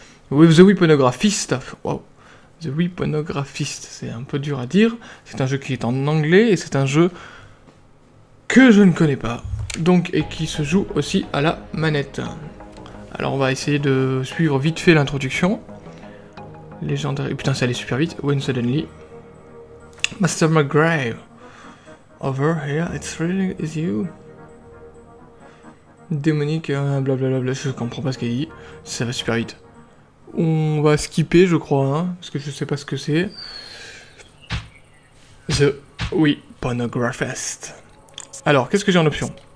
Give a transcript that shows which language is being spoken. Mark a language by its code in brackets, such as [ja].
[fr] The Weaponographist. Wow. The Weaponographist, c'est un peu dur à dire. C'est un jeu qui est en anglais et c'est un jeu que je ne connais pas. Donc, et qui se joue aussi à la manette. Alors, on va essayer de suivre vite fait l'introduction. Légendaire. Putain, ça allait super vite. [en] When suddenly. Master McGrave. Over here, it's really is you. [fr] Démonique, blablabla, je comprends pas ce qu'il dit. Ça va super vite. On va skipper, je crois, hein, parce que je sais pas ce que c'est. The Weaponographist. Alors, qu'est-ce que j'ai en option?